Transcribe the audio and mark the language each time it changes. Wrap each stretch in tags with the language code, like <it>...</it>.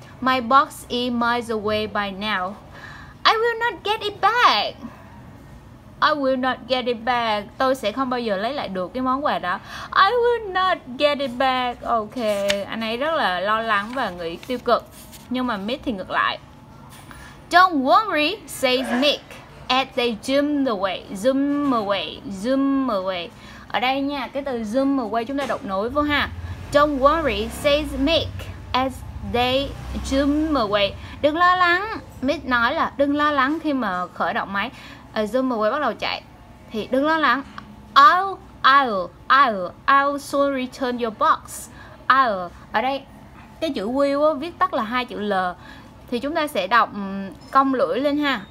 <en>My box is miles away by now. I will not get it back. I will not get it back.</en> <vi>Tôi sẽ không bao giờ lấy lại được cái món quà đó.</vi> <en>I will not get it back.</en> <vi>Ok, anh ấy rất là lo lắng và nghĩ tiêu cực. Nhưng mà Mick thì ngược lại.</vi> <en>Don't worry, says Mick as they zoom away. Zoom away, zoom away.</en> <vi>Ở đây nha, cái từ</vi> <en>zoom away</en> <vi>chúng ta đọc nối vô ha.</vi> <en>Don't worry, says Mick as they zoom away.</en> <vi>Đừng lo lắng, Mick nói là đừng lo lắng khi mà khởi động máy.</vi> <en>Zoom away</en> <vi>bắt đầu chạy. Thì đừng lo lắng.</vi> <en>I'll soon return your box. I'll.</en> <vi>Ở đây cái chữ will á, viết tắt là hai chữ L. Thì chúng ta sẽ đọc cong lưỡi lên ha.</vi>